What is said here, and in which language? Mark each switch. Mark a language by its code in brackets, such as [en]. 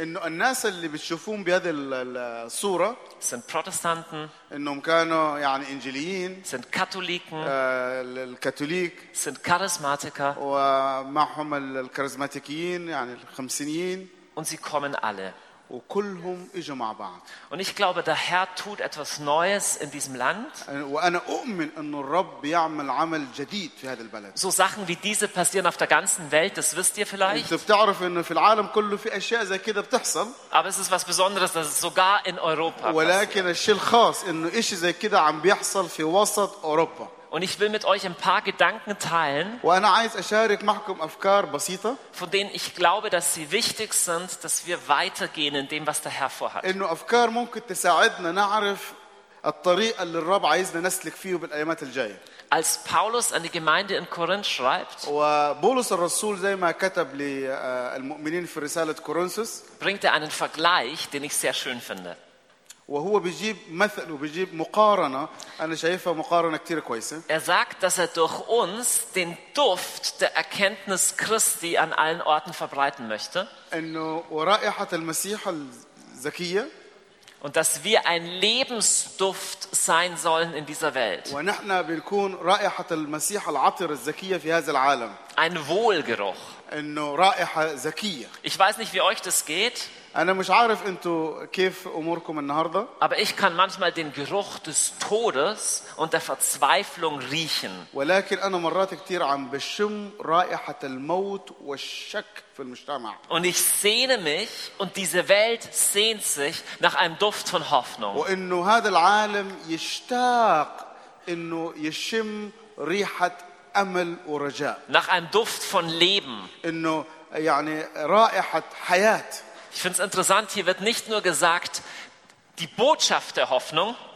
[ar] إنه الناس اللي بتشوفون بهذه الصورة. [de] Sind Protestanten. [ar] إنهم كانوا يعني إنجليين. [de] Sind Katholiken. [ar] الكاثوليك. [de] Sind Charismatiker. [ar] ومعهم الكاريزماتيكيين يعني الخمسينيين. [de] Und sie kommen alle. [ar] وكلهم اجوا مع بعض. [de] Und ich glaube, der Herr tut etwas Neues in diesem Land. [ar] وانا اؤمن ان الرب بيعمل عمل جديد في هذا البلد. [de] So Sachen wie diese passieren auf der ganzen Welt, das wisst ihr vielleicht. [ar] انت بتعرف انه في العالم كله في اشياء زي كده بتحصل. [de] Aber es ist was Besonderes, dass es sogar in Europa passiert. [ar] ولكن الشيء الخاص انه شيء زي كده عم بيحصل في وسط اوروبا. [de] Und ich will mit euch ein paar Gedanken teilen, von denen ich glaube, dass sie wichtig sind, dass wir weitergehen in dem, was der Herr vorhat. [ar] إنه أفكار ممكن تساعدنا نعرف الطريق اللي الرب عايزنا نسلك فيه بالأيامات الجاية. [de] Als Paulus an die Gemeinde in Korinth schreibt, [ar] وبولس الرسول زي ما كتب للمؤمنين في رسالة كورنثوس, [de] bringt einen Vergleich, den ich sehr schön finde. [ar] وهو بيجيب مثل وبيجيب مقارنة أنا شايفها مقارنة كتير كويسة. [de] Er sagt, dass er durch uns den Duft der Erkenntnis Christi an allen Orten verbreiten möchte. [ar] إنه ورائحة المسيح الزكية. [de] Und dass wir ein Lebensduft sein sollen in dieser Welt. [ar] ونحن بنكون رائحة المسيح العطر الزكية في هذا العالم. [de] Ein Wohlgeruch. [ar] إنه رائحة زكية. [de] Ich weiß nicht, wie euch das geht. [ar] أنا مش عارف أنتوا كيف أموركم النهاردة. [de] Aber ich kann manchmal den Geruch des Todes und der Verzweiflung riechen. [ar] ولكن أنا مرات كتير عم بشم رائحة الموت والشك في المجتمع. [de] Und ich sehne mich und diese Welt sehnt sich nach einem Duft von Hoffnung. [ar] وإنه هذا العالم يشتاق إنه يشم ريحة أمل ورجاء. [de] Nach einem Duft von Leben. [ar] إنه يعني رائحة حياة. [de] Ich finde es interessant, hier wird nicht nur gesagt, die Botschaft der Hoffnung.